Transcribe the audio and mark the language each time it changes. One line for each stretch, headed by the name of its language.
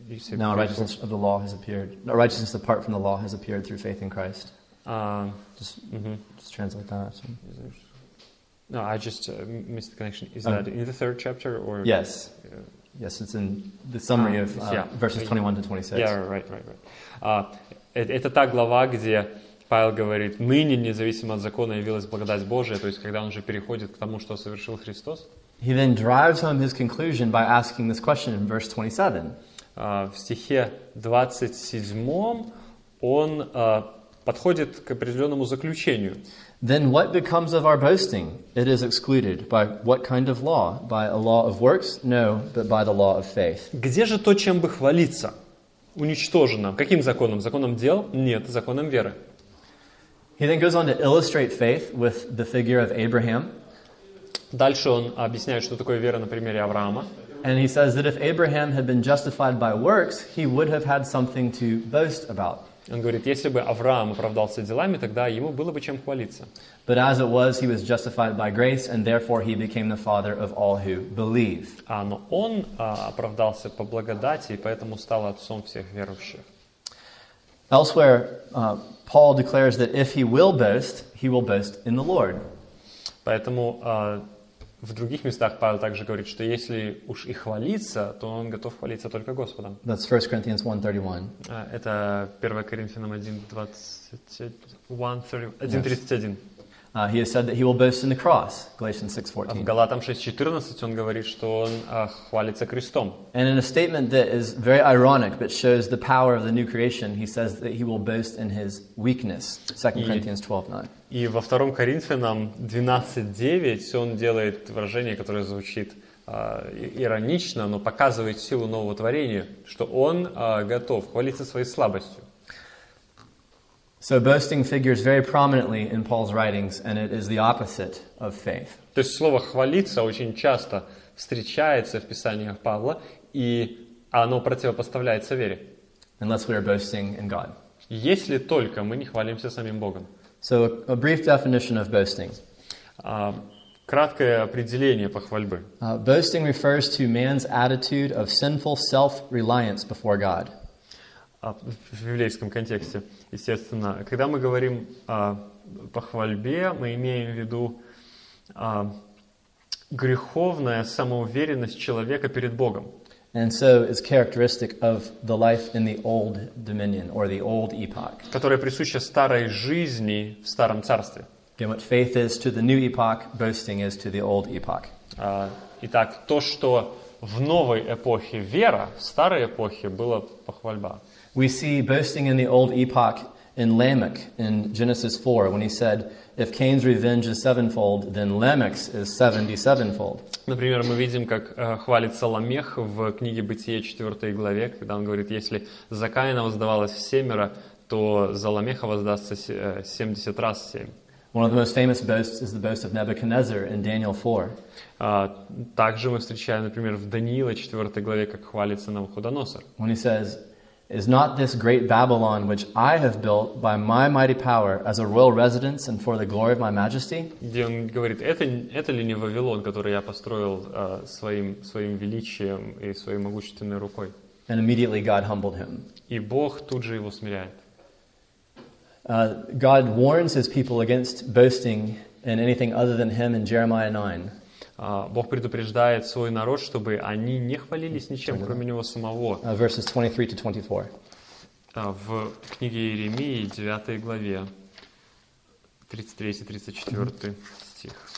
English: Now a righteousness of the law has appeared. A righteousness apart from the law has appeared through faith in Christ. Just translate that. No, I just missed the connection. Is that in the third chapter? Or? Yes. Yes, it's in the summary of verses 21 to 26. Yeah, right.
Russian: Это та глава, где Павел говорит: ныне, независимо от закона, явилась благодать Божия, то есть когда он уже переходит к тому, что совершил Христос.
English: He then drives home his conclusion by asking this question in verse 27.
Russian: В стихе 27 он подходит к определенному заключению.
English: Then what becomes of our boasting? It is excluded. By what kind of law? By a law of works? No, but by the law of faith.
Russian: Где же то, чем бы хвалиться? Уничтожено. Каким законом? Законом дел? Нет, законом веры.
English: He then goes on to illustrate faith with the figure of Abraham.
Russian: Дальше он объясняет, что такое вера на примере Авраама.
English: And he says that if Abraham had been justified by works, he would have had something to boast about.
Russian: Он говорит, если бы Авраам оправдался делами, тогда ему было бы чем хвалиться.
English: But as it was, he was justified by grace, and therefore he became the father of all who believe.
Russian: Но он оправдался по благодати, и поэтому стал отцом всех верующих.
English: Elsewhere, Paul declares that if he will boast, he will boast in the Lord.
Russian: Поэтому в других местах Павел также говорит, что если уж и хвалиться, то он готов хвалиться только Господом.
English: That's 1 Corinthians 1:31.
Russian: Это 1 Коринфянам 1:31.
English: He has said that he will boast in the cross, Galatians 6:14.
Russian: В Галатам 6:14 он говорит, что он хвалится крестом.
English: And in a statement that is very ironic, but shows the power of the new creation, he says that he will boast in his weakness, 2 Corinthians 12:9.
Russian: И во 2 Коринфянам 12:9 он делает выражение, которое звучит иронично, но показывает силу нового творения, что он готов хвалиться своей слабостью.
English: So boasting figures very prominently in Paul's writings, and it is the opposite of faith.
Russian: То есть слово «хвалиться» очень часто встречается в Писаниях Павла, и оно противопоставляется вере.
English: Unless we are boasting in God.
Russian: Если только мы не хвалимся самим Богом.
English: So a brief definition of boasting.
Russian: Краткое определение похвальбы.
English: Boasting refers to man's attitude of sinful self-reliance before God.
Russian: В библейском контексте, естественно. Когда мы говорим о похвальбе, мы имеем в виду греховная самоуверенность человека перед Богом.
English: And so it's characteristic of the life in the old dominion or the old epoch.
Russian: Которая присуща старой жизни в старом царстве.
English: Again, what faith is to the new epoch, boasting is to the old epoch.
Russian: Итак, то, что в новой эпохе вера, в старой эпохе была похвальба.
English: We see boasting in the old epoch in Lamech in Genesis 4 when he said, if Cain's revenge is sevenfold, then Lamech's is 77-fold.
Russian: Например, мы видим, как хвалится Ламех в книге Бытие 4 главе, когда он говорит, если за Каина воздавалось семеро, то за Ламеха воздастся 70 раз 7.
English: One of the most famous boasts is the boast of Nebuchadnezzar in Daniel 4.
Russian: Также мы встречаем, например, в Даниила 4 главе, как хвалится Навуходоносор.
English: When he says, is not this great Babylon which I have built by my mighty power as a royal residence and for the glory of my majesty?
Russian: Где он говорит, это ли не Вавилон, который я построил своим величием и своей могущественной рукой?
English: And immediately God humbled him.
Russian: И Бог тут же его смиряет.
English: God warns his people against boasting in anything other than him in Jeremiah 9.
Russian: Бог предупреждает свой народ, чтобы они не хвалились ничем, кроме него самого.
English: Verses 23-24.
Russian: В книге Иеремии, 9 главе, 33-34 стих.